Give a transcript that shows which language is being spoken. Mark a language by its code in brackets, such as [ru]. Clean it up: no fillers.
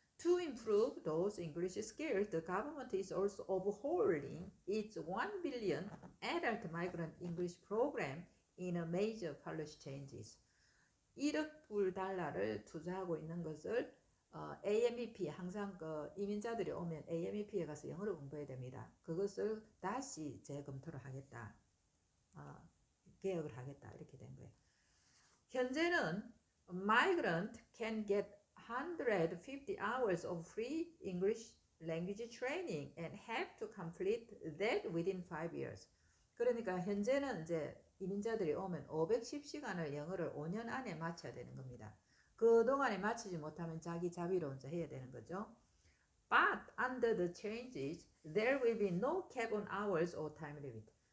[en] To improve those English skills, the government is also overhauling its $1 billion adult migrant English program in a major policy changes. [ko] 1억 불 달러를 투자하고 있는 것을 AMEP, 항상 그 이민자들이 오면 AMEP에 가서 영어를 공부해야 됩니다. 그것을 다시 재검토를 하겠다. 개혁을 하겠다. 이렇게 된 거예요. [en] 현재는 migrant can get 150 hours of free English language training and have to complete that within 5 years. [ko] 그러니까 현재는 이제 이민자들이 오면 510시간을 영어를 5년 안에 마쳐야 되는 겁니다. 그동안에 마치지 못하면 자기 자비로 혼자 해야 되는 거죠. [en] But under the changes, there will be no cap on hours or time limit.